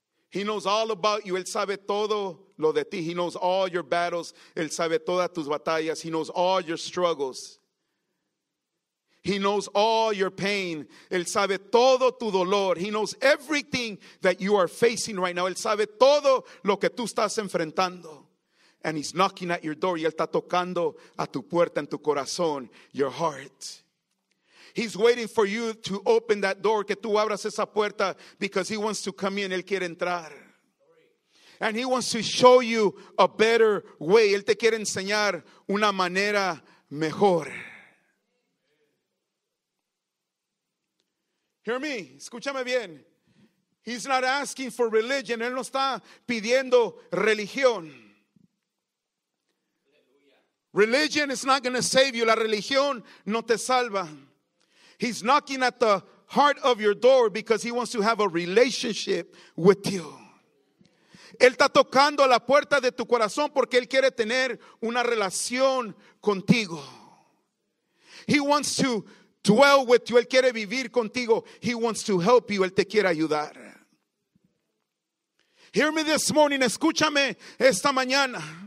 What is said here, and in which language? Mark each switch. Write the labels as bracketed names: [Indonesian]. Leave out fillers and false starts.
[English] He knows all about you. [Spanish] Él sabe todo lo de ti. [English] He knows all your battles. [Spanish] Él sabe todas tus batallas. [English] He knows all your struggles. He knows all your pain. [Spanish] Él sabe todo tu dolor. [English] He knows everything that you are facing right now. [Spanish] Él sabe todo lo que tú estás enfrentando. [English] And he's knocking at your door. [Spanish] Y él está tocando a tu puerta en tu corazón, [English] your heart. He's waiting for you to open that door, [Spanish] que tú abras esa puerta, [English] because he wants to come in. [Spanish] Él quiere entrar. [English] And he wants to show you a better way. [Spanish] Él te quiere enseñar una manera mejor. [English] Hear me, [Spanish] escúchame bien. [English] He's not asking for religion. [Spanish] Él no está pidiendo religión. [English] Religion is not going to save you. [Spanish] La religión no te salva. [English] He's knocking at the heart of your door because he wants to have a relationship with you. [Spanish] Él está tocando a la puerta de tu corazón porque él quiere tener una relación contigo. [English] He wants to dwell with you. [Spanish] Él quiere vivir contigo. [English] He wants to help you. [Spanish] Él te quiere ayudar. [English] Hear me this morning. [Spanish] Escúchame esta mañana.